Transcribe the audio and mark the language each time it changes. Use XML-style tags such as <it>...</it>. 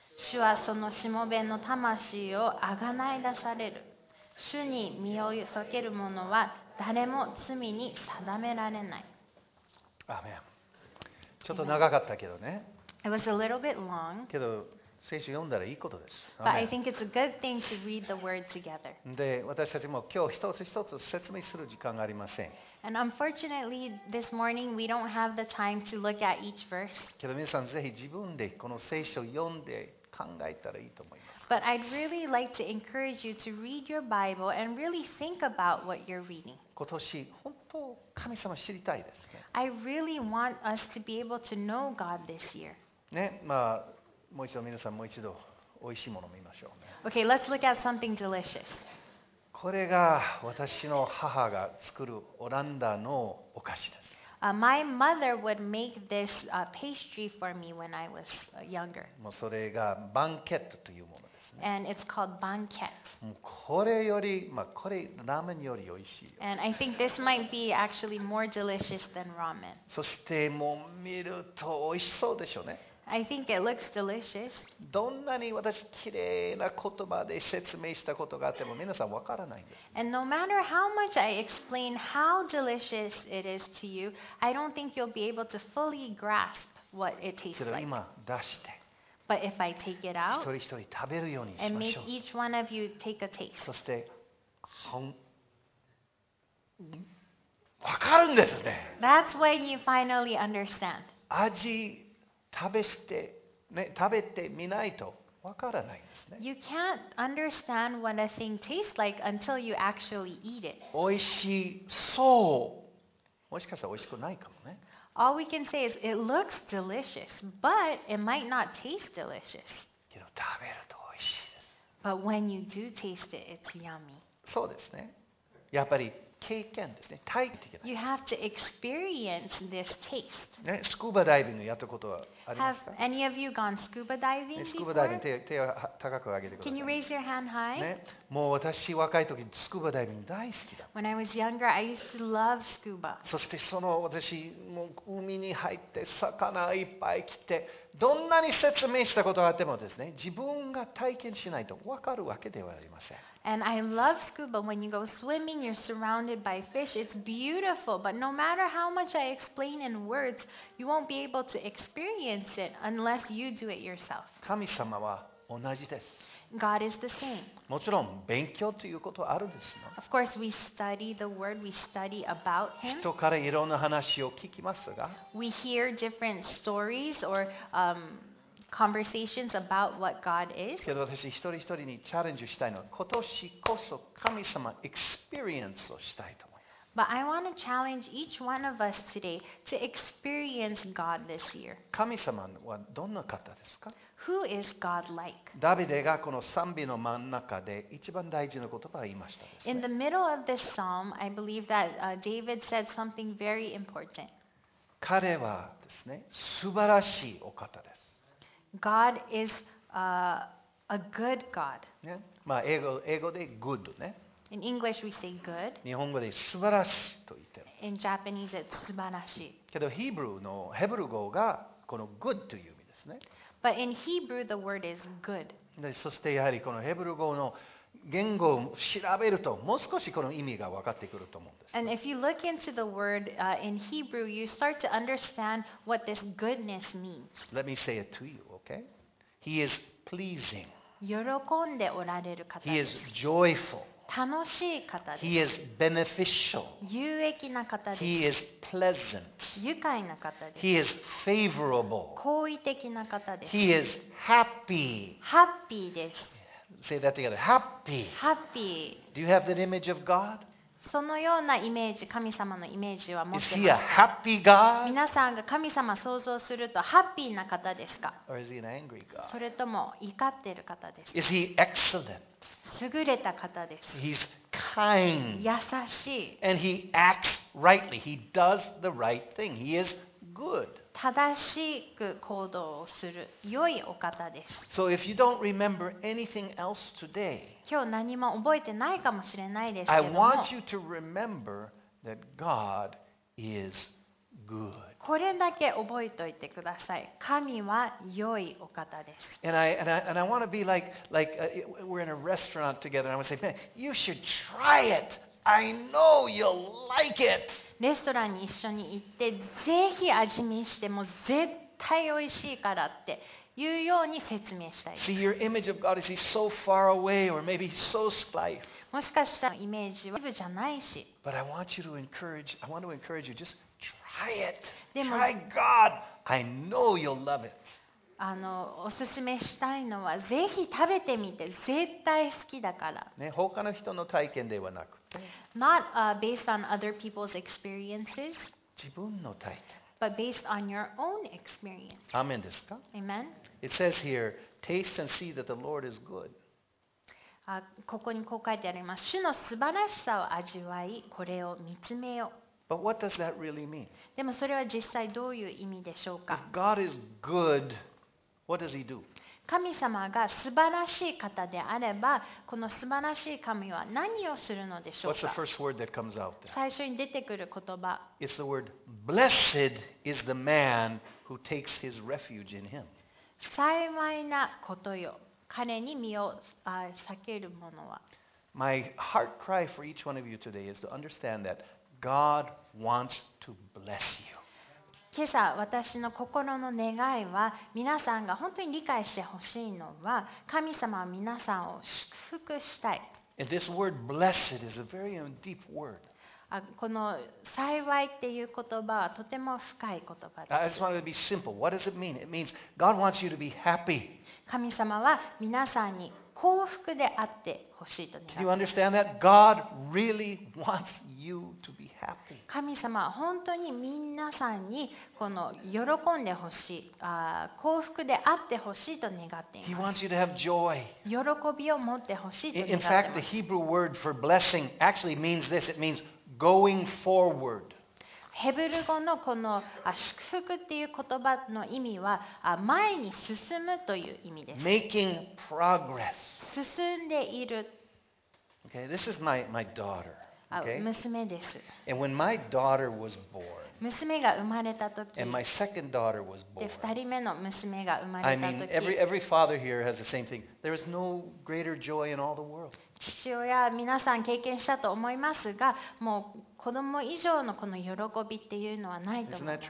<ja>主はそのしもべの魂をあがない出される。主に身を避ける者は誰も罪に定められない。アーメン。ちょっと長かったけどね。</ja> <en>It was a little bit long.</en> <ja>けど聖書読んだらいいことです。</ja> <en>But I think it's a good thing to read the word together.</en> <ja>で、私たちも今日一つ一つ説明する時間がありません。</ja> <en>And unfortunately, this morning we don't have the time to look at each verse.</en> <ja>けど皆さんぜひ自分でこの聖書を読んで考えたらいいと思います。</ja> <en>But I'd really like to encourage you to read your Bible and really think about what you're reading.</en> <ja>今年本当神様知りたいですね。</ja> <en>I really want us to be able to know God this year.</en> <ja>ね、まあ。もう一度皆さんもう一度おいしいものを見ましょう、ね。</ja> <en>Okay, let's look at something delicious.</en> <ja>これが私の母が作るオランダのお菓子です。</ja> <en>My mother would make this pastry for me when I was younger.</en> <ja>もうそれがバンケットというものですね。</ja> <en>And it's called banquet.</en> <ja>もうこれより、まあ、これラーメンよりおいしいよ。</ja> <en>And I think this might be actually more delicious than ramen.</en> <ja>そしてもう見るとおいしそうでしょうね。</ja> <en>I think it looks delicious.</en> <ja>どんなに私綺麗な言葉で説明したことがあっても皆さんわからないんです。</ja> <en>And no matter how much I explain how delicious it is to you, I don't think you'll be able to fully grasp what it tastes like.</en> <ja>けど今出して。</ja> <en>But if I take it out,</en> <ja>一人一人食べるようにしましょう。</ja> <en>And make each one of you take a taste.</en> <ja>そして本わかるんですね。</ja> <en>That's when you finally understand.</en> <ja>味食べして、ね、食べてみないとわからないですね。</ja> <en>You can't understand what a thing tastes like until you actually eat it.</en> <ja>おいしそう。もしかしたらおいしくないかもね。</ja> <en>All we can say is it looks delicious, but it might not taste delicious.</en> <ja>けど食べるとおいしいです。</ja> <en>But when you do taste it, it's yummy.</en> <ja>そうですね。やっぱり経験ですね。体験。</ja> <en>You have to experience this taste.</en> <ja>ね、スクーバダイビングやったことはありますか？</ja> <en>Have any of you gone scuba diving before?</en> <ja>スクーバダイビング、手を高く上げてください。</ja> <en>Can you raise your hand high?</en> <ja>ね、もう私若い時スクーバダイビング大好きだ。</ja> <en>When I was younger, I used to love scuba.</en> <ja>そしてその私もう海に入って魚いっぱい来て、どんなに説明したことがあってもですね、自分が体験しないと分かるわけではありません。</ja> <en>And I love scuba. When you go swimming, you're surrounded by fish. It's beautiful. But no matter how much I explain in words, you won't be able to experience it unless you do it yourself.</en> <ja>神様は同じです。</ja> <en>God is the same.</en> <ja>もちろん勉強ということはあるんですよ。</ja> <en>Of course, we study the word. We study about Him.</en> <ja>人からいろんな話を聞きますが、</ja> <en>we hear different stories or conversations about what God is.</en> <ja>けど私一人一人にチャレンジしたいのは、今年こそ神様エクスペリエンスをしたいと思います。</ja> <en>But I want to challenge each one of us today to experience God this year.</en> <ja>神様はどんな方ですか？</ja> <en>Who is God like?</en> <ja>ダビデがこの賛美の真ん中で一番大事な言葉を言いましたですね。</ja> <en>In the middle of this psalm, I believe that David said something very important.</en> <ja>彼はですね、素晴らしいお方です。</ja> <en>God is a good God.</en> <ja>Yeah. まあ英語で good ね。</ja> <en>In English we say good.</en> <ja>日本語で素晴らしいと言ってる。</ja> <en>In Japanese it's 素晴らしい。</en> <ja>けどヘブル語がこの good という意味ですね。</ja> <en>But in Hebrew the word is good.</en> <ja>そしてやはりこのヘブル語の言語を調べるともう少しこの意味が分かってくると思うんです。</ja> <en>And if you look into the word, in Hebrew, you start to understand what this goodness means. Let me say it to you, okay? He is pleasing.</en> <ja>喜んでおられる方です。</ja> <en>He is joyful.</en> <ja>楽しい方です。</ja> <en>He is beneficial.</en> <ja>有益な方です。</ja> <en>He is pleasant.</en> <ja>愉快な方です。</ja> <en>He is favorable.</en> <ja>好意的な方です。</ja> <en>He is happy.</en> <ja>ハッピーです。</ja> <en>Say that together. Happy. Happy. Do you have that image of God?</en> <ja>そのようなイメージ、神様のイメージは持ってます。</ja> <en>Is he a happy God?</en> <ja>皆さんが神様を想像するとハッピーな方ですか?</ja> <en>Or is he an angry God?</en> <ja>それとも怒っている方ですか?</ja> <en>Is he excellent?</en> <ja>優れた方です。</ja> <en>He's kind.</en> <ja>優しい。</ja> <en>And he acts rightly. He does the right thing. He is good.</en> <ja>正しく行動をする良いお方です。</ja> <en>So if you don't remember anything else today,</en> <ja>今日何も覚えてないかもしれないですけ</ja> <en>ども、I want you to remember that God is good.</en> <ja>これだけ覚えておいてください。神は良いお方です。</ja> <en>And I want to be like we're in a restaurant together. And I want to say, man, you should try it. I know you'll like it.</en> <ja>レストランに一緒に行って、ぜひ味見しても絶対美味しいからっていうように説明したい。</ja> <en>See, your image of God is he so far away or maybe he's so slight.</en> <ja>もしかしたらイメージはイブじゃないし。</ja> <en>But I want you to encourage. I want to encourage you. Just try it. Try God. I know you'll love it.</en> <ja>おすすめしたいのはぜひ食べてみて、絶対好きだから。ね、他の人の体験ではなく。</ja> <en>Not based on other people's experiences,</en> <ja>自分の体験</ja> <en>but based on your own experience.</en> <ja>Amen ですか?</ja> <en>Amen. It says here, taste and see that the Lord is good.</en> <ja>ここにこう書いてあります。主の素晴らしさを味わい、これを見つめよ。</ja> <en>But what does that really mean?</en> <ja>でもそれは実際どういう意味でしょうか?</ja> <en>If God is good, what does he do?</en> <ja>神様が素晴らしい方であれば、この素晴らしい神は何をするのでしょうか。最初に出てくる言葉。</ja> <en>It's the word, blessed is the man who takes his refuge in him.</en> <ja>幸いなことよ。彼に身を避けるものは。</ja> <en>My heart cry for each one of you today is to understand that God wants to bless you.</en> <ja>今朝私の心の願いは皆さんが本当に理解してほしいのは神様は皆さんを祝福したい。</ja> <en>And this word blessed is a very deep word.</en> <ja>この幸いっていう言葉はとても深い言葉です。</ja> <en>I just want it to be simple. What does it mean? It means God wants you to be happy.</en> <ja>神様は皆さんに幸福であってほしいと願います。</ja> <en>Can you understand that? God really wants you to be happy.</en> <ja>神様は本当に皆さんにこの喜んでほしい、幸福であってほしいと願っています。</ja> <en>He wants you to have joy.</en> <ja>喜びを持ってほしいと願っています。</ja> <en>In fact, the Hebrew word for blessing actually means this. It means going forward.</en> <ja>ヘブル語のこの祝福っていう言葉の意味は前に進むという意味です。</ja> <en>Making progress.</en> <ja>進んでいる。</ja> <en>Okay, this is my daughter.</en> <ja>Okay? 娘です。</ja> <en>And when my daughter was born,</en> <ja>娘が生まれた時、</ja> <en>and my second daughter was born,</en> <ja>二人目の娘が生まれた時、</ja> <en>I mean, every father here has the same thing. There is no greater joy in all the world.</en> <ja>父親は皆さん経験したと思いますが、もう子供以上のこの喜びっていうのはないと思います。</ja>